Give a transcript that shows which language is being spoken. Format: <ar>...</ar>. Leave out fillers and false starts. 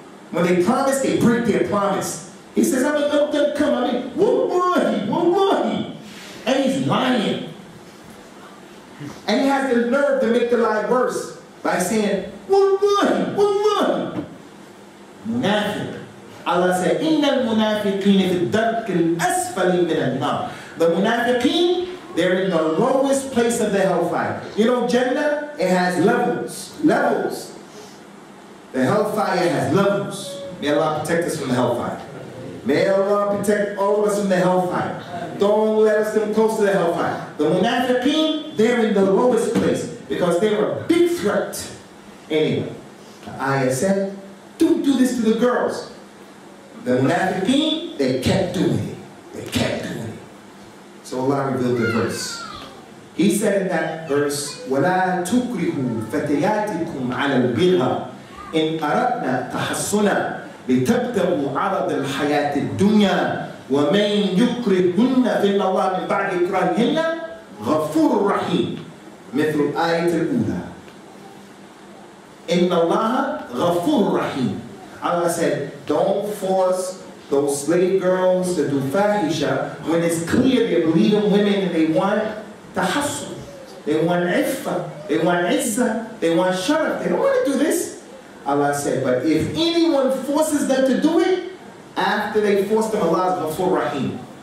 <en>When they promise, they break their promise. He says, I'm going to come, I mean, wallahi. And he's lying. And he has the nerve to make the lie worse by saying, wallahi. Munafiq. Allah said,</en> <ar>إِنَّ الْمُنَافِقِينَ فِي الدَّرْكِ الْأَسْفَلِ مِنَ النَّارِ.</ar> <en>The munafiqeen, they're in the lowest place of the hellfire. You know, Jannah, it has levels. Levels. The hellfire has levels. May Allah protect us from the hellfire. May Allah protect all of us from the hellfire. Don't let us come close to the hellfire. The munafiqeen, they're in the lowest place because they were a big threat. Anyway, the ayah said, don't do this to the girls. The munafiqeen, they kept doing it. They kept doing it. So Allah revealed the verse. He said in that verse,</en> <ar>وَلَا تُكْرِهُوا فَتَيَاتِكُمْ عَلَى الْبِغَى إِنْ أَرَبْنَا تَحَصُّنَا لِتَبْتَغُوا عَرَضَ الْحَيَاةِ الدُّنْيَا وَمَنْ يُكْرِهُنَّ فِي اللَّهِ مِنْ بَعْدِ إِكْرَاهِهِنَّ غَفُورُ الرَّحِيمُ مِثْلُ آيَةِ الْأُولَى. إِنَّ اللَّهَ غَفُورُ رَحِيمٌ.</ar> <en>Allah said, Don't force those slave girls to do fahisha when it's clear they're bleeding women and they want tahassun. They want iffa. They want izza. They want sharaf. They don't want to do this. Allah said, but if anyone forces them to do it, after they force them, Allah is Ghafur Rahim.</en>